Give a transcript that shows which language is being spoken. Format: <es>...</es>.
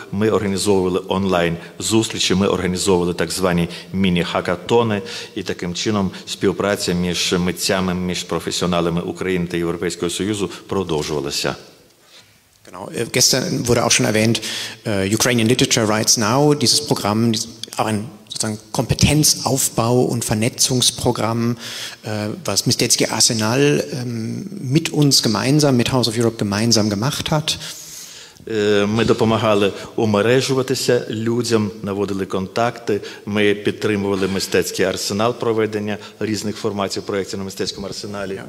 <uk>Ми організовували онлайн-зустрічі, ми організовували так звані міні-хакатони і таким чином співпраця між митцями, між професіоналами України та Європейського Союзу продовжувалася.</uk> <de>Genau. Gestern wurde auch schon erwähnt, Ukrainian Literature Writes Now, dieses Programm, auch ein sozusagen Kompetenzaufbau- und Vernetzungsprogramm, was Mistetsky Arsenal mit uns gemeinsam, mit House of Europe gemeinsam gemacht hat.</de> <uk>Ми допомагали омережуватися людям, наводили контакти, ми підтримували мистецький арсенал проведення різних форматів проєктів на мистецькому арсеналі.</uk>